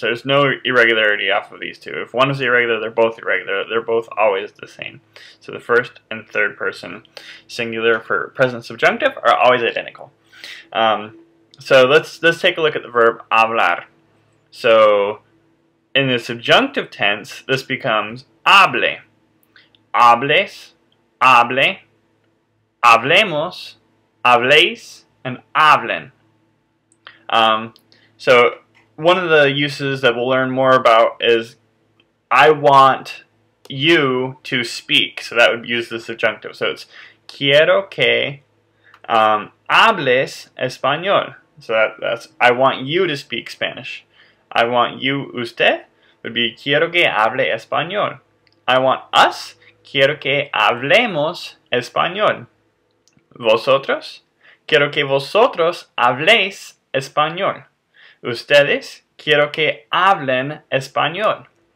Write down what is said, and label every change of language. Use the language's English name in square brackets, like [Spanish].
[English] There's no irregularity off of these two. If one is irregular. They're both always the same. So the first and third person singular for present subjunctive are always identical. So let's take a look at the verb hablar. So in the subjunctive tense, this becomes hable. [Spanish] Hables, hable, hablemos, habléis, and hablen. [English] So one of the uses that we'll learn more about is I want you to speak. So that would use the subjunctive. So it's [Spanish] quiero que hables español. [English] So that's I want you to speak Spanish. I want you, usted. Would be [Spanish] quiero que hable español. [English] I want us, [Spanish] quiero que hablemos español. Vosotros, quiero que vosotros habléis español. Ustedes, quiero que hablen español.